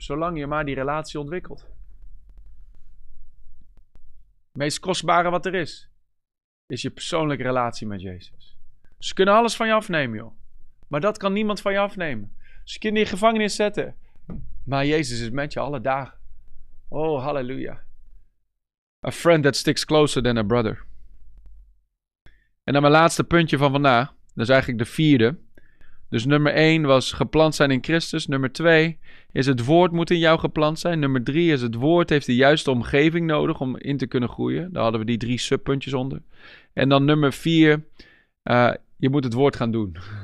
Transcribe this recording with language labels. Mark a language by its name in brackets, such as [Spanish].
[Dutch] Zolang je maar die relatie ontwikkelt. Het meest kostbare wat er is. Is je persoonlijke relatie met Jezus. Ze kunnen alles van je afnemen, joh. Maar dat kan niemand van je afnemen. Ze kunnen je in gevangenis zetten. Maar Jezus is met je alle dagen. Oh, halleluja. [English] A friend that sticks closer than a brother. [Dutch] En dan mijn laatste puntje van vandaag. Dat is eigenlijk de vierde. Dus nummer 1 was geplant zijn in Christus. Nummer 2 is het woord moet in jou geplant zijn. Nummer 3 is het woord heeft de juiste omgeving nodig om in te kunnen groeien. Daar hadden we die 3 subpuntjes onder. En dan nummer 4, je moet het woord gaan doen.